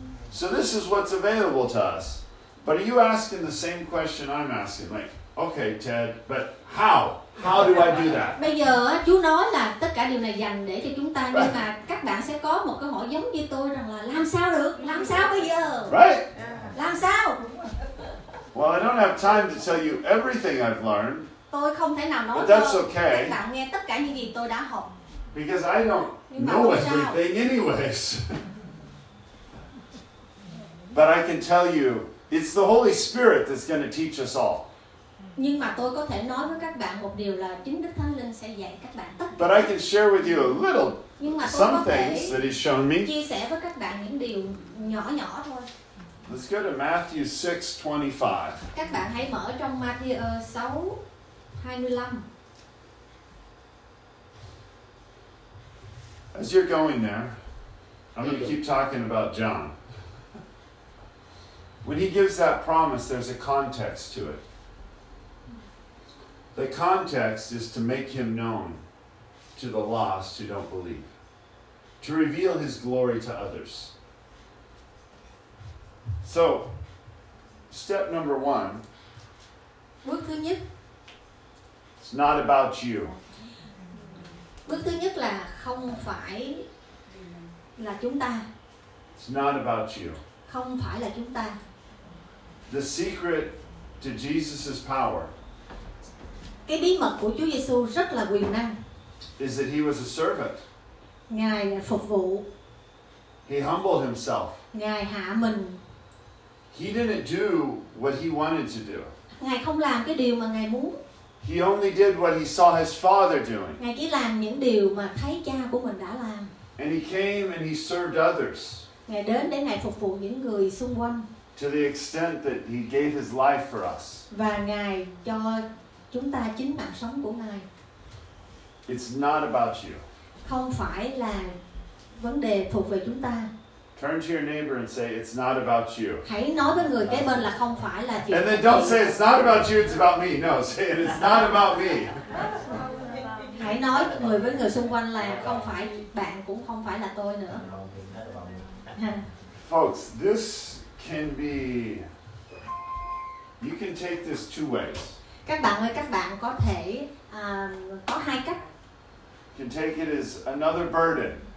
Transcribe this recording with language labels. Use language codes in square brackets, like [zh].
[en] So this is what's available to us. But are you asking the same question I'm asking? Like, okay, Ted, but how? How do I do that? [vi] Bây giờ chú nói là tất cả điều này dành để cho chúng ta, [en] right. [vi] Nhưng mà các bạn sẽ có một câu hỏi giống như tôi rằng là làm sao được? Làm sao bây giờ? [en] Right. [vi] Làm sao? [en] Well, I don't have time to tell you everything I've learned. [vi] Tôi không thể nào nói [en] but that's okay. [vi] Các bạn nghe tất cả những gì tôi đã học. [en] Because I don't know everything anyways. But I can tell you, it's the Holy Spirit that's going to teach us all. [vi] Nhưng mà tôi có thể nói với các bạn một điều là chính Đức Thánh Linh sẽ dạy các bạn tất cả. [en] But I can share with you a little, [vi] nhưng mà [en] some things that he's shown me. [vi] Chia sẻ với các bạn những điều nhỏ nhỏ thôi. [en] Let's go to Matthew 6:25. [vi] Các bạn hãy mở trong Matthew 6:25. [en] As you're going there, I'm going to keep talking about John. When he gives that promise, there's a context to it. The context is to make him known to the lost who don't believe, to reveal his glory to others. So, step number one, [vi] bước thứ nhất, [en] it's not about you. [vi] Bước thứ nhất là không phải là chúng ta. [en] It's not about you. [vi] Không phải là chúng ta. [en] The secret to Jesus' power. [vi] Cái bí mật của Chúa Giêsu rất là quyền năng. [en] Is that he was a servant. [vi] Ngài phục vụ. [en] He humbled himself. [vi] Ngài hạ mình. [en] He didn't do what he wanted to do. [vi] Ngài không làm cái điều mà Ngài muốn. [en] He only did what he saw his father doing. [vi] Ngài chỉ làm những điều mà thấy cha của mình đã làm. [en] And he came and he served others. [vi] Ngài đến để Ngài phục vụ những người xung quanh. [en] To the extent that he gave his life for us. [vi] Và Ngài cho chúng ta chính mạng sống của Ngài. [en] It's not about you. [vi] Không phải là vấn đề thuộc về chúng ta. [en] Turn to your neighbor and say it's not about you. [vi] Hãy nói với người kế bên là không phải là chị. [en] And then don't say it's not about you, it's about me. No, say it's not about me. [vi] Hãy nói người với người xung quanh là không phải bạn cũng không phải là tôi nữa. [en] Folks, this can be. You can take this two ways. [vi] Các bạn ơi, các bạn có thể có hai cách. [en] You can take it as another burden.